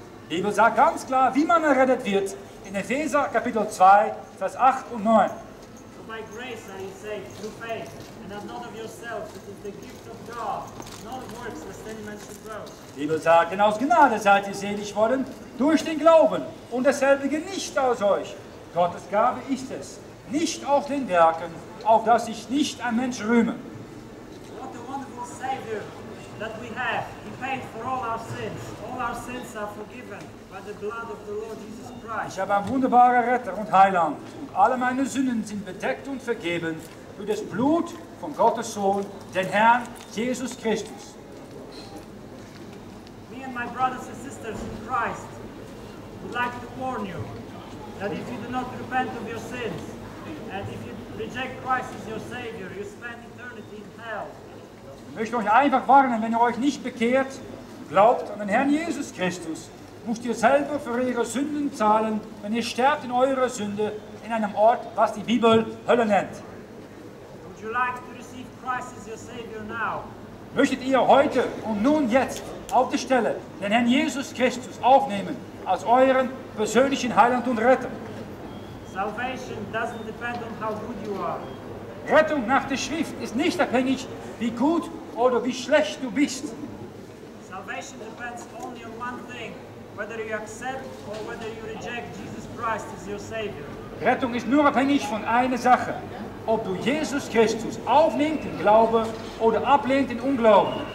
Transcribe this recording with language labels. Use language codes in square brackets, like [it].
[de] Die Bibel sagt ganz klar, wie man errettet wird, in Epheser Kapitel 2, Vers 8 und 9. [en] For by grace are you saved, through faith, and that not of yourselves, it is the gift of God, not of works, lest any man should boast. [de] Die Bibel sagt, denn aus Gnade seid ihr selig worden, durch den Glauben, und dasselbige nicht aus euch. Gottes Gabe ist es, nicht auf den Werken, auf das sich nicht ein Mensch rühme. [en] What a wonderful Savior that we have. He paid for all our sins. All our sins are forgiven by the blood of the Lord Jesus Christ. [de] Ich habe einen wunderbaren Retter und Heiland. Und alle meine Sünden sind bedeckt und vergeben durch das Blut von Gottes Sohn, den Herrn Jesus Christus. [en] Me and my brothers and sisters in Christ would like to warn you that if you do not repent of your sins, and if you reject Christ as your Savior, you spend eternity in hell. [de] Ich möchte euch einfach warnen, wenn ihr euch nicht bekehrt, glaubt an den Herrn Jesus Christus, müsst ihr selber für eure Sünden zahlen, wenn ihr sterbt in eurer Sünde in einem Ort, was die Bibel Hölle nennt. [en] Would you like to receive Christ as your Savior now? [de] Möchtet ihr heute und nun jetzt auf der Stelle den Herrn Jesus Christus aufnehmen als euren persönlichen Heiland und Retter? [en] Salvation doesn't depend on how good you are. [de] Rettung nach der Schrift ist nicht abhängig, wie gut oder wie schlecht du bist. [en] Salvation depends only on one thing, whether you accept or whether you reject Jesus Christ as your Savior. [de] Rettung ist nur abhängig von einer Sache, ob du Jesus Christus aufnimmst im Glauben oder ablehnst im Unglauben.